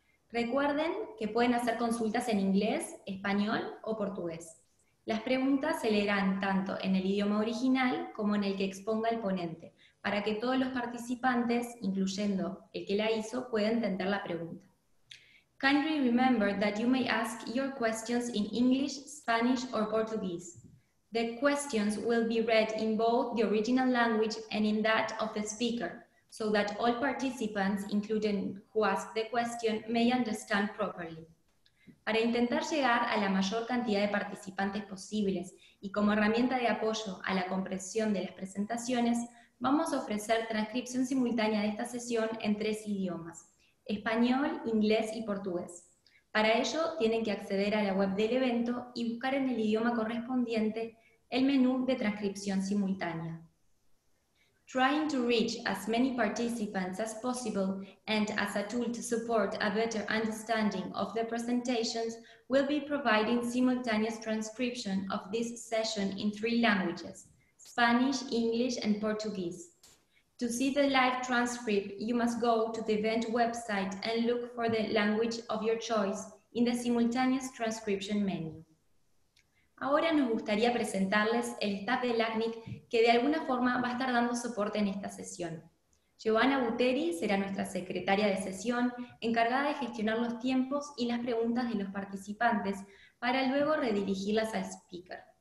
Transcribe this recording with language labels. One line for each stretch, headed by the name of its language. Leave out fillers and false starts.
Spanish: Recuerden que pueden hacer consultas en inglés, español o portugués. Las preguntas se leerán tanto en el idioma original como en el que exponga el ponente, para que todos los participantes, incluyendo el que la hizo, puedan entender la pregunta.
English: Kindly remember that you may ask your questions in English, Spanish or Portuguese. The questions will be read in both the original language and in that of the speaker, so that all participants, including who ask the question, may understand properly.
Spanish: Para intentar llegar a la mayor cantidad de participantes posibles y como herramienta de apoyo a la comprensión de las presentaciones, vamos a ofrecer transcripción simultánea de esta sesión en tres idiomas: español, inglés y portugués. Para ello, tienen que acceder a la web del evento y buscar en el idioma correspondiente el menú de transcripción simultánea.
English: Trying to reach as many participants as possible and as a tool to support a better understanding of the presentations, we'll be providing simultaneous transcription of this session in three languages: Spanish, English, and Portuguese. To see the live transcript, you must go to the event website and look for the language of your choice in the simultaneous transcription menu.
Spanish: Ahora nos gustaría presentarles el staff del ACNIC que de alguna forma va a estar dando soporte en esta sesión. Giovanna Buteri será nuestra secretaria de sesión, encargada de gestionar los tiempos y las preguntas de los participantes para luego redirigirlas al speaker.